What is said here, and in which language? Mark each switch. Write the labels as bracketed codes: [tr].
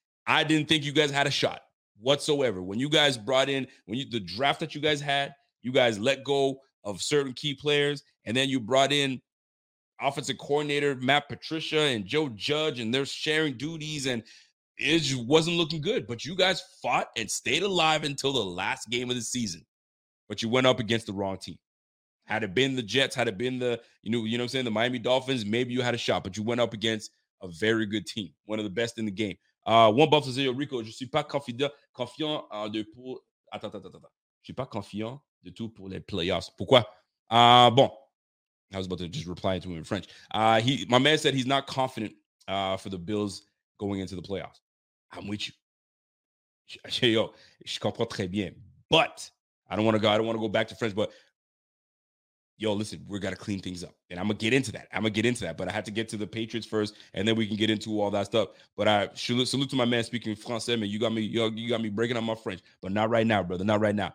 [en] I didn't think you guys had a shot whatsoever. When you guys brought in, the draft that you guys had, you guys let go of certain key players, and then you brought in offensive coordinator Matt Patricia and Joe Judge, and they're sharing duties, and it just wasn't looking good. But you guys fought and stayed alive until the last game of the season. But you went up against the wrong team. Had it been the Jets, had it been the, you know what I'm saying, the Miami Dolphins, maybe you had a shot. But you went up against a very good team, one of the best in the game. [fr] One Buffalo Zero Rico, je suis pas confiant de pour. Attends. Je suis pas confiant de tout pour les playoffs. Pourquoi? Bon. [en] I was about to just reply to him in French. My man said he's not confident for the Bills going into the playoffs. I'm with you. [fr] Yo, je comprends très bien. [en] But I don't want to go back to French. But yo, listen, we got to clean things up. And I'm going to get into that. But I had to get to the Patriots first, and then we can get into all that stuff. But I salute to my man speaking Francais, man. You got me breaking out my French. But not right now, brother. Not right now.